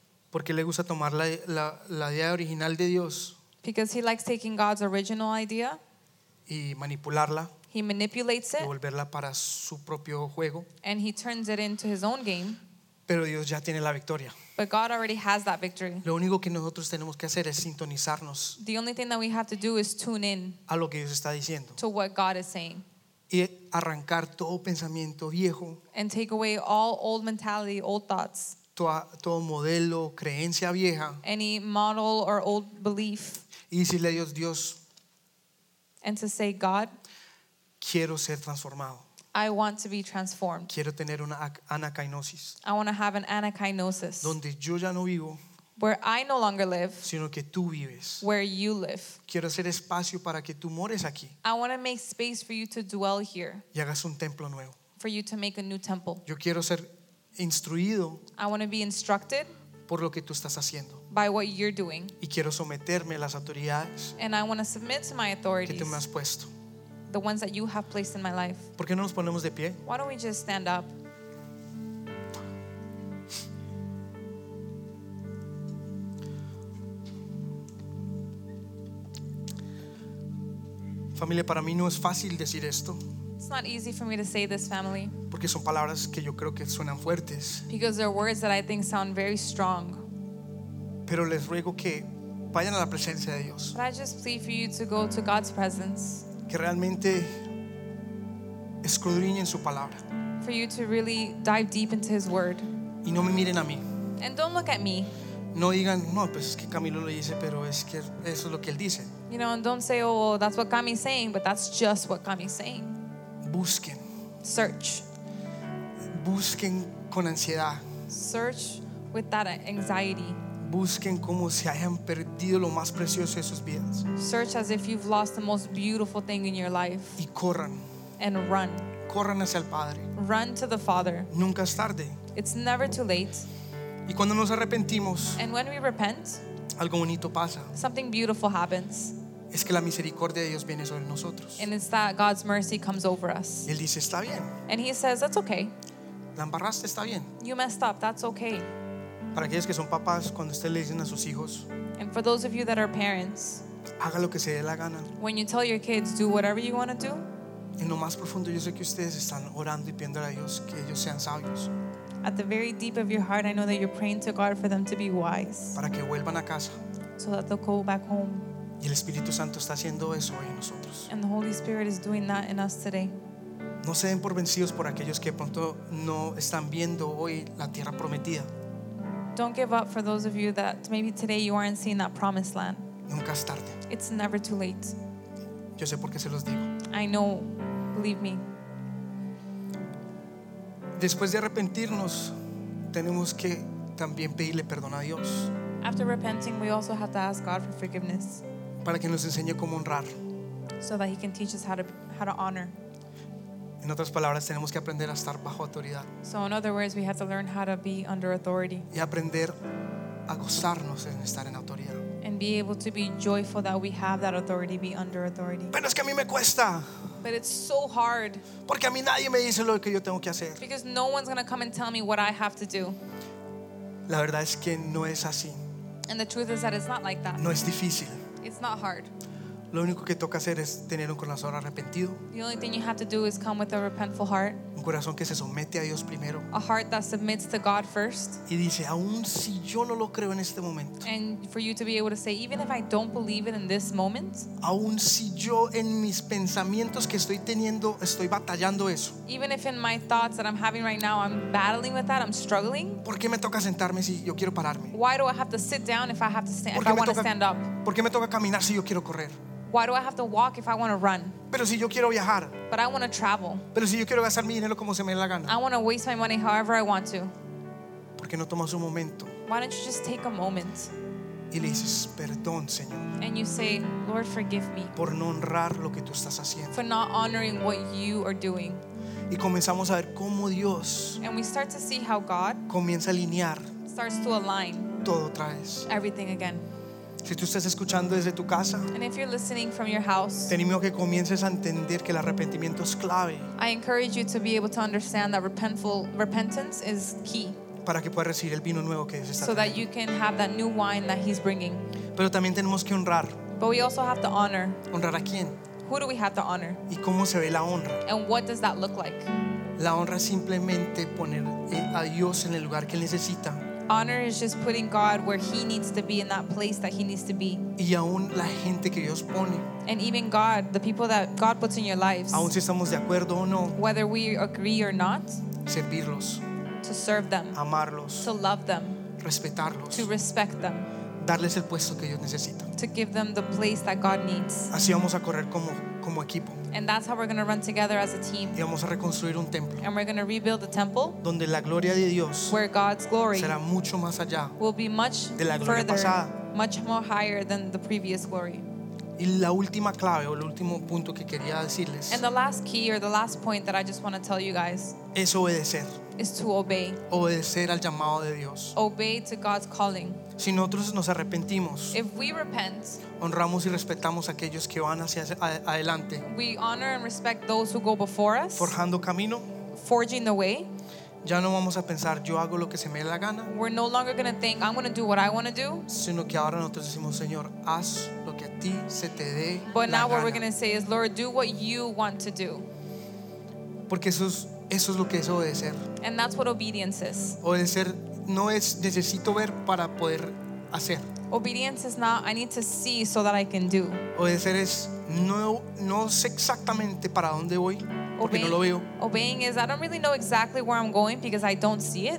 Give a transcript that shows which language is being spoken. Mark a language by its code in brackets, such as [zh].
[es] Porque le gusta tomar la idea original de Dios. [en] Because he likes taking God's original idea. [es] y manipularla. [en] He manipulates it. [es] Y volverla para su propio juego. [en] And he turns it into his own game. [es] Pero Dios ya tiene la victoria. [en] But God already has that victory. [es] Lo único que nosotros tenemos que hacer es sintonizarnos. [en] The only thing that we have to do is tune in. [es] A lo que Dios está diciendo. [en] To what God is saying. [es] Y arrancar todo pensamiento viejo. [en] And take away all old mentality, old thoughts. [es] Todo modelo, creencia vieja. [en] Any model or old belief. [es] Y decirle a Dios, Dios. [en] And to say, God. [es] Quiero ser transformado. [en] I want to be transformed. [es] Quiero tener una anakinosis. [en] I want to have an anakinosis. [es] Donde yo ya no vivo. [en] Where I no longer live. [es] Sino que tú vives. [en] Where you live. [es] Quiero hacer espacio para que tú mores aquí. [en] I want to make space for you to dwell here. [es] Y hagas un templo nuevo. [en] For you to make a new temple. [es] Yo quiero ser instruido. [en] I want to be instructed. [es] Por lo que tú estás haciendo. [en] By what you're doing. [es] Y quiero someterme a las autoridades. [en] And I want to submit to my authorities. [es] Que tú me has puesto. [en] The ones that you have placed in my life. [es] ¿Por qué no nos ponemos de pie? [en] Why don't we just stand up? [es] Familia, para mí no es fácil decir esto. [en] It's not easy for me to say this, family. [es] Porque son palabras que yo creo que suenan fuertes. [en] Because they're words that I think sound very strong. [es] Pero les ruego que vayan a la presencia de Dios. [en] But I just plead for you to go to God's presence. [es] Que realmente escudriñen su palabra. [en] For you to really dive deep into his word. [es] Y no me miren a mí. [en] And don't look at me. [es] No digan, no, pues es que Camilo lo dice, pero es que eso es lo que él dice. [en] You know, and don't say, oh, well, that's what Cami's saying, but that's just what Cami's saying. [es] Busquen. [en] Search. [es] Busquen con ansiedad. [en] Search with that anxiety. [es] Busquen como si hayan perdido lo más precioso de sus vidas. [en] Search as if you've lost the most beautiful thing in your life. [es] Y corran. [en] And run. [es] Corran hacia el Padre. [en] Run to the Father. [es] Nunca es tarde. [en] It's never too late. [es] Y cuando nos arrepentimos. [en] And when we repent. [es] Algo bonito pasa. [en] Something beautiful happens. [es] Es que la misericordia de Dios viene sobre nosotros. [en] And it's that God's mercy comes over us. [es] Y él dice, está bien. [en] And he says, that's okay. [es] La embarraste, está bien. [en] You messed up, that's okay. [es] Para aquellos que son papás, cuando ustedes le dicen a sus hijos, [en] and for those of you that are parents, [es] haga lo que se dé la gana. [en] When you tell your kids, do whatever you want to do. [es] En lo más profundo, yo sé que ustedes están orando y pidiendo a Dios que ellos sean sabios. [en] At the very deep of your heart, I know that you're praying to God for them to be wise. [es] Para que vuelvan a casa. [en] So that they'll go back home. [es] Y el Espíritu Santo está haciendo eso hoy en nosotros. [en] And the Holy Spirit is doing that in us today. [es] No se den por vencidos por aquellos que pronto no están viendo hoy la tierra prometida. [en] Don't give up for those of you that maybe today you aren't seeing that promised land. [es] Nunca es tarde. [en] It's never too late. [es] Yo sé por qué se los digo. [en] I know, believe me. [es] Después de arrepentirnos, tenemos que también pedirle perdón a Dios. [en] After repenting, we also have to ask God for forgiveness. [es] Para que nos enseñe cómo honrar. [en] So that he can teach us how to honor. [es] En otras palabras, tenemos que aprender a estar bajo autoridad. [en] So in other words, we have to learn how to be under authority. [es] Y aprender a gozarnos en estar en autoridad. [en] And be able to be joyful that we have that authority, be under authority. [es] Pero es que a mí me cuesta. [en] But it's so hard. [es] Porque a mí nadie me dice lo que yo tengo que hacer. [en] Because no one's going to come and tell me what I have to do. [es] La verdad es que no es así. [en] And the truth is that it's not like that. [es] No es difícil. [en] It's not hard. [es] Lo único que toca hacer es tener un corazón arrepentido. [en] The only thing you have to do is come with a repentful heart. [es] Un corazón que se somete a Dios primero. [en] A heart that submits to God first. [es] Y dice, aún si yo no lo creo en este momento. [en] And for you to be able to say, even if I don't believe it in this moment. [es] Aún si yo en mis pensamientos que estoy teniendo estoy batallando eso. [en] Even if in my thoughts that I'm having right now I'm battling with that, I'm struggling. [es] ¿Por qué me toca sentarme si yo quiero pararme? [en] Why do I have to sit down if I have to stand, if I want to stand up? [es] ¿Por qué me toca caminar si yo quiero correr? [en] Why do I have to walk if I want to run? [es] Pero si yo quiero viajar. [en] But I want to travel. [es] Pero si yo quiero gastar mi dinero como se me dé la gana. [en] I want to waste my money however I want to. [es] ¿Por qué no tomas un momento? [en] Why don't you just take a moment? [es] Y le dices, perdón, Señor. [en] And you say, Lord, forgive me. [es] Por no honrar lo que tú estás haciendo. [en] For not honoring what you are doing. [es] Y comenzamos a ver cómo Dios. [en] And we start to see how God. [es] Comienza a alinear. [en] Starts to align. [es] Todo otra vez. [en] Everything again. [es] Si tú estás escuchando desde tu casa, [en] and if you're listening from your house, [es] te animo a que comiences a entender que el arrepentimiento es clave. [en] I encourage you to be able to understand that repentance is key. [es] Para que puedas recibir el vino nuevo que Dios está trayendo. [en] So that you can have that new wine that he's bringing. [es] Pero también tenemos que honrar. [en] But we also have to honor. [es] ¿Honrar a quién? [en] Who do we have to honor? [es] ¿Y cómo se ve la honra? [en] And what does that look like? [es] La honra es simplemente poner a Dios en el lugar que necesita. [en] Honor is just putting God where he needs to be, in that place that he needs to be. [es] Y aún la gente que Dios pone. [en] And even God, the people that God puts in your lives. [es] Aún si estamos de acuerdo o no. [en] Whether we agree or not. [es] Servirlos. [en] To serve them. [es] Amarlos. [en] To love them. [es] Respetarlos. [en] To respect them. [es] Darles el puesto que ellos necesitan. [en] To give them the place that God needs. [es] Así vamos a correr como equipo. [en] And that's how we're going to run together as a team. [es] Y vamos a reconstruir un templo. [en] And we're going to rebuild a temple. [es] Donde la gloria de Dios, [en] where God's glory [es] será mucho más allá, [en] will be much [es] de la gloria [en] further, [es] pasada. [en] Much more higher than the previous glory. [es] Y la última clave o el último punto que quería decirles, [en] and the last key or the last point that I just want to tell you guys, [es] es obedecer. [en] Is to obey. [es] Obedecer al llamado de Dios. [en] Obey to God's calling. [es] Si nosotros nos arrepentimos, [en] if we repent, [es] honramos y respetamos a aquellos que van hacia adelante. [en] We honor and respect those who go before us. [es] Forjando camino. [en] Forging the way. [es] Ya no vamos a pensar, yo hago lo que se me dé la gana. [en] We're no longer going to think, I'm going to do what I want to do. [es] Sino que ahora nosotros decimos, Señor, haz lo que a ti se te dé la gana. [en] But now what we're going to say is, Lord, do what you want to do. [es] Porque eso es lo que es obedecer. [en] And that's what obedience is. [es] Obedecer no es necesito ver para poder hacer. [en] Obedience is not I need to see so that I can do. [es] Obedecer es no sé exactamente para dónde voy porque obeying, no lo veo. [en] Obeying is I don't really know exactly where I'm going because I don't see it.